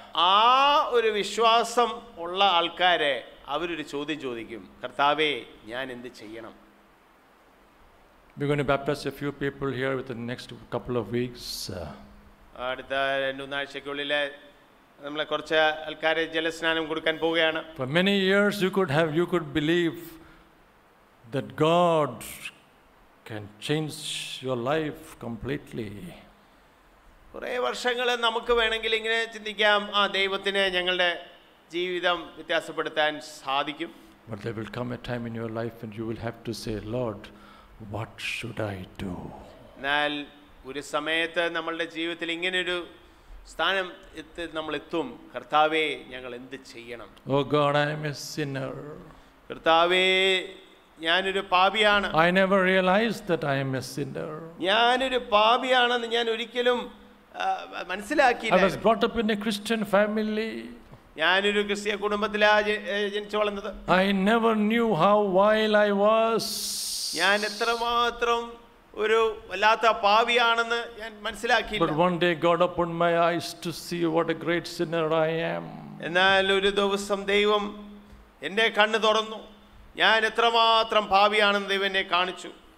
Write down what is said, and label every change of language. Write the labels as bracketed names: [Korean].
[Malayalam] ആ ഒരു വിശ്വാസം ഉള്ള ആൾക്കാരെ അവരൊരു ചോദ്യം ചോദിക്കും, കർത്താവേ ഞാൻ എന്ത് ചെയ്യണം? [English] We're going to baptize a few people here with the next couple of weeks. [Malayalam] അടുത്ത രണ്ട് നാഴ്ചകളിലെ നമ്മളെ കുറച്ച് ആൾക്കാരെ ജലസ്നാനം കൊടുക്കാൻ പോവുകയാണ്. [English] For many years you could believe that God can change your life completely. [Malayalam] കുറേ വർഷങ്ങൾ നമുക്ക് വേണമെങ്കിൽ ഇങ്ങനെ ചിന്തിക്കാം, ആ ദൈവത്തിന് ഞങ്ങളുടെ ജീവിതം വ്യത്യാസപ്പെടുത്താൻ സാധിക്കും. [English] But there will come a time in your life when you will have to say, Lord, what should I do? [Malayalam] എന്നാൽ ഒരു സമയത്ത് നമ്മളുടെ ജീവിതത്തിൽ ഇങ്ങനൊരു സ്ഥാനം എത്തി നമ്മൾ എത്തും, കർത്താവേ ഞങ്ങൾ എന്ത് ചെയ്യണം? [English] Oh God, I am a sinner. [Malayalam] കർത്താവേ ഞാനൊരു പാപിയാണ്. [English] I never realized that I am a sinner. [Malayalam] ഞാനൊരു പാപിയാണെന്ന് ഞാൻ ഒരിക്കലും മനസ്സിലാക്കിയില്ല. [English] I was brought up in a Christian family. [Malayalam] ഞാനൊരു ക്രിസ്തീയ കുടുംബത്തിലാണ് ജനിച്ചു വളർന്നത്. [English] I never knew how vile I was. [Malayalam] ഞാൻ എത്രമാത്രം ഒരു വല്ലാത്ത പാപിയാണെന്ന് ഞാൻ മനസ്സിലാക്കിയില്ല. [English] But one day God opened my eyes to see what a great sinner I am. [Malayalam] എന്നാൽ ഒരു ദിവസം ദൈവം എൻ്റെ കണ്ണ് തുറന്നു, ഞാൻ എത്രമാത്രം പാപിയാണെന്ന് ദൈവം എന്നെ കാണിച്ചു.